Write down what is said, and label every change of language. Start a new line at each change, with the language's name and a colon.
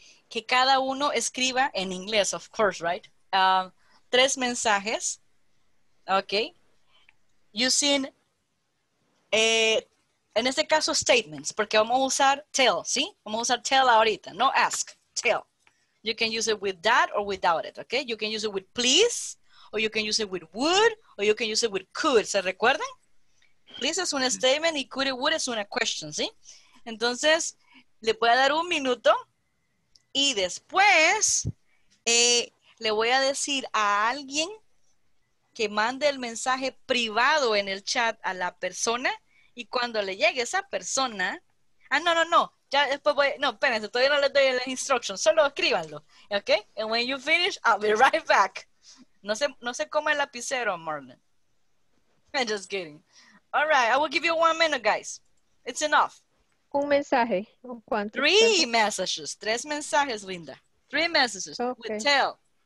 Spanish: que cada uno escriba en inglés,
English: of course, right?
Spanish: Tres mensajes, okay? Using, en este caso, statements, porque vamos a usar tell, ¿sí? Vamos a usar tell ahorita, no ask, tell.
English: You can use it with that or without it, okay? You can use it with please, or you can use it with would, or you can use it with could,
Spanish: ¿se recuerdan? Please es un statement y could y would es una question, ¿sí? Entonces, le voy a dar 1 minuto. Y después le voy a decir a alguien que mande el mensaje privado en el chat a la persona. Y cuando le llegue esa persona, espérense, todavía no le doy las instrucciones, solo escríbanlo.
English: Ok, and when you finish, I'll be right back.
Spanish: No se coma el lapicero,
English: Marlon. I'm just kidding. All right, I will give you 1 minute, guys. It's enough.
Spanish: Un mensaje. ¿Cuánto?
English: Three messages.
Spanish: Tres mensajes,
English: Linda. 3 messages. Okay. With tell.